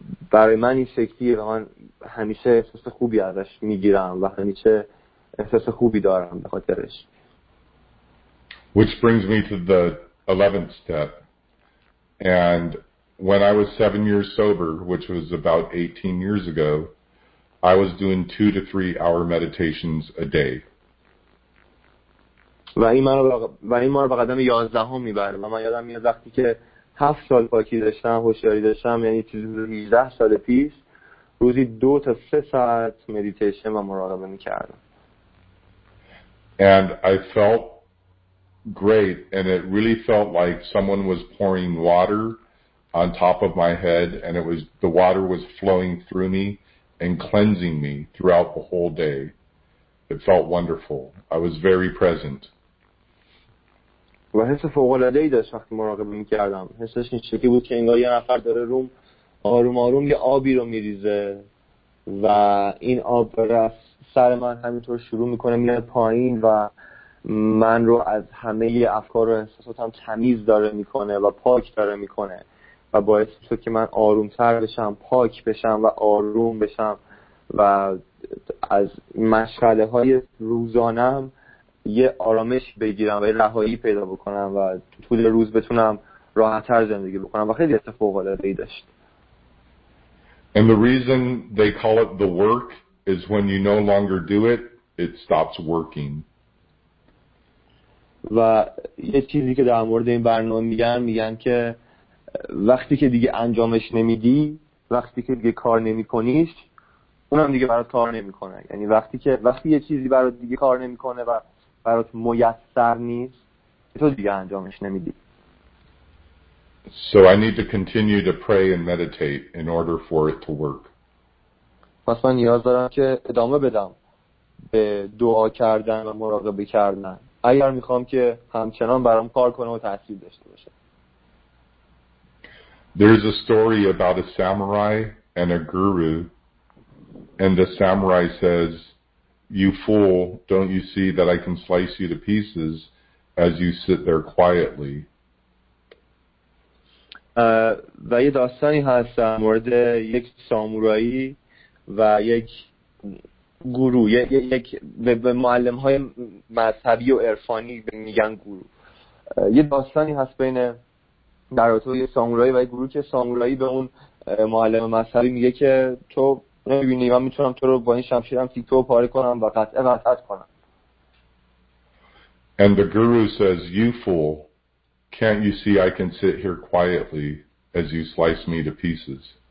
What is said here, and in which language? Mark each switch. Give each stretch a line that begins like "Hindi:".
Persian: برای من این شکلیه و من همیشه احساس خوبی ازش میگیرم و همیشه احساس خوبی دارم به خاطرش.
English: Which brings me to the 11th step. And when I was 7 years sober, which was about 18 years ago, I was doing 2-3 hour meditations a day.
Persian: و این ما رو به قدم 11 میبره و من یادم میاد وقتی که 7 سال پاکی داشتم، هوشیاری داشتم، یعنی چیزی حدود 18 سال پیش، روزی 2-3 ساعت مدیتیشن و مراقبه میکردم.
English: And I felt great and it really felt like someone was pouring water on top of my head and it was the water was flowing through me and cleansing me throughout the whole day. It felt wonderful. I was very present.
Persian: و حس فوق‌العاده‌ای داشت وقتی مراقبه می‌کردم. حسش این شکلی بود که انگار یه نفر داره روم آروم آروم یه آبی رو می‌ریزه و این آب از سر من همینطور شروع می‌کنه میاد پایین و من رو از همه افکار و احساساتم تمیز داره می‌کنه و پاک داره می‌کنه و باعث میشه که من آروم‌تر بشم، پاک بشم و آروم بشم و از مشغله‌های روزانه‌ام یه آرامش بگیرم و یه رهایی پیدا بکنم و طول روز بتونم راحت‌تر زندگی بکنم و خیلی اتفاق‌العاده‌ای داشت.
English: And the reason they call it the work is when you no longer do it, it stops working.
Persian: و یه چیزی که در مورد این برنامه میگن، میگن که وقتی که دیگه انجامش نمیدی، وقتی که دیگه کار نمی‌کنیش، اونم دیگه برات کار نمی‌کنه. یعنی وقتی یه چیزی برات دیگه کار نمی‌کنه و برات میسر نیست، تو دیگه انجامش نمیدی.
English: So I need to continue to pray and meditate in order for it to work.
Persian: پس من نیاز دارم که ادامه بدم به دعا کردن و مراقبه کردن، اگر میخوام که همچنان برام کار کنه و تأثیر داشته باشه.
English: There's a story about a samurai and a guru, and the samurai says, "You fool, don't you see that I can slice you to pieces as you sit there quietly?"
Persian: و یه داستانی هست در مورد یک سامورایی و یک گورو، یک به معلم‌های مذهبی و عرفانی میگن گورو. یه داستانی هست بین در رابطه یه سامورایی و یه گروه که سامورایی به اون معلم مذهبی میگه که تو نمیبینی من میتونم تو رو با این شمشیرم تیکتو پاره کنم و قطعه قطعت کنم.
English: And the guru says, "You fool, can't you see I can sit here quietly as you slice me to pieces?"